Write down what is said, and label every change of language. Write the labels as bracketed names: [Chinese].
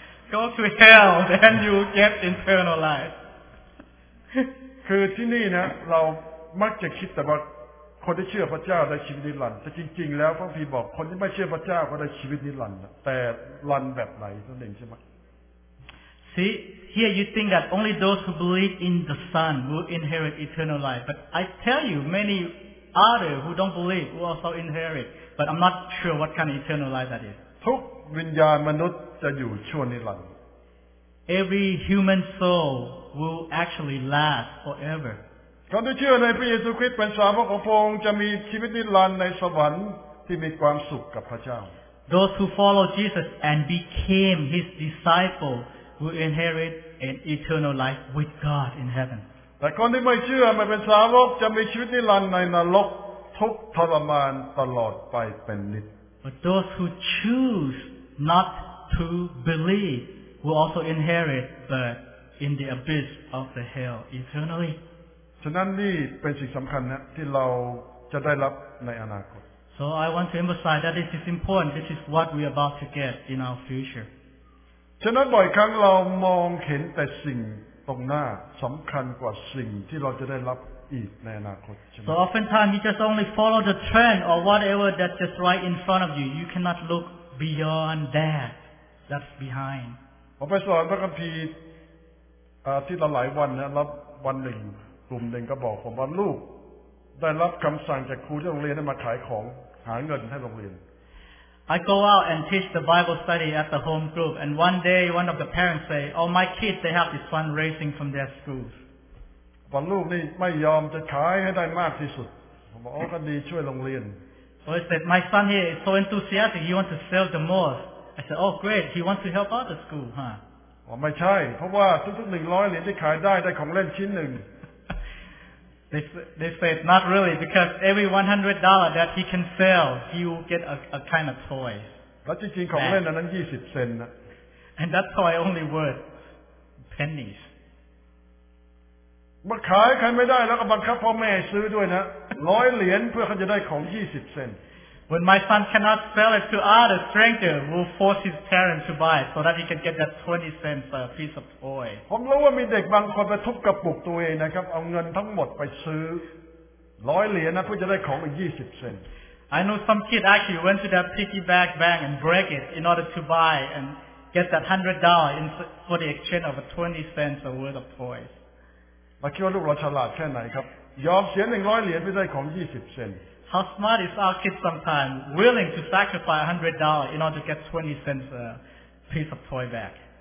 [English] Go to hell, then you get eternal life. [Thai] คือที่นี่นะเรามักจะคิดแต่ว่าคนที่เชื่อพระเจ้าได้ชีวิตนิรันดร์แต่จริงๆแล้วพระคัมภีร์บอกคนที่ไม่เชื่อพระเจ้าก็ได้ชีวิตนิรันดร์แต่รันแบบไหนนั่นเองใช่ไหม [English] See, here you think that only those who believe in the Son will inherit eternal life. But I tell you, many others who don't believe will also inherit. But I'm not sure what kind of eternal life that is. [Thai] ทุกวิญญาณมนุษย์จะอยู่ชั่วนิรันดร์ [English] Every human soul will actually last forever. [Thai] คนที่เชื่อในพระเยซูคริสต์เป็นสาวกของพระองค์จะมีชีวิตนิรันดร์ในสวรรค์ที่มีความสุขกับพระเจ้า [English] Those who follow Jesus and became His disciples,Will inherit an eternal life with God in heaven. [Thai] แต่คนที่ไม่เชื่อไม่เป็นสาวกจะมีชีวิตนิรันดร์ในนรกทุกทรมานตลอดไปเป็นนิจ [English] But those who choose not to believe will also inherit, but in the abyss of the hell eternally. [Thai] ฉะนั้นนี่เป็นสิ่งสำคัญนะที่เราจะได้รับในอนาคต [English] So I want to emphasize that this is important. This is what we are about to get in our future. [Thai] ฉะนั้นบ่อยครั้งเรามองเห็นแต่สิ่งตรงหน้าสำคัญกว่าสิ่งที่เราจะได้รับอีกในอนาคตใช่ไหม [English] So oftentimes you just only follow the trend or whatever that's just right in front of you. You cannot look beyond that. That's behind. [Thai] ผมไปสอนพระคัมภีร์ที่ละหลายวันนะแล้ววันหนึ่งกลุ่มหนึ่งก็บอกผมว่าลูกได้รับคำสั่งจากครูที่โรงเรียนให้มาขายของหาเงินให้โรงเรียน [English] I go out and teach the Bible study at the home group, and one day one of the parents say, "Oh, my kids, they have this fundraising from their schools." But [Thai] ลูกนี่ไม่ยอมจะขายให้ได้มากที่สุดผมบอกอ๋อก็ดีช่วยโรงเรียน [English] So I said, "My son here is so enthusiastic; he wants to sell the most." I said, "Oh, great! He wants to help out the school, huh?" [Thai] ว่าไม่ใช่เพราะว่าทุกหนึ่งร้อยเหรียญที่ขายได้ของเล่นชิ้นหนึ่ง [English] They said not really because every $100 that he can sell, he will get a kind of toy. But [Thai] จริงๆของเล่นนั้น20เซนนะ [English] And that toy only worth pennies. [Thai] มาขายใครไม่ได้แล้วก็บังคับพ่อแม่ซื้อด้วยนะ100 เหรียญเพื่อเขาจะได้ของ 20 เซ็นต์ [English] When my son cannot spell it to art, a stranger will force his parents to buy it so that he can get that 20 cents a piece of toy. [Thai] ผมรู้ว่ามีเด็กบางคนไปทุบกระปุกตัวเองนะครับเอาเงินทั้งหมดไปซื้อ100 เหรียญนะเพื่อจะได้ของอีก20 เซ็นต์ [English] I know some kid actually went to that piggyback bank and break it in order to buy and get that $100 for the exchange of a 20 cents a worth of toys. [Thai] มาคิดว่าลูกเราฉลาดแค่ไหนครับยอมเสีย100 เหรียญเพื่อได้ของ20 เซ็นต์ [English] How smart is our kid sometimes, willing to sacrifice $100 in order to get 20 cents a piece of toy back?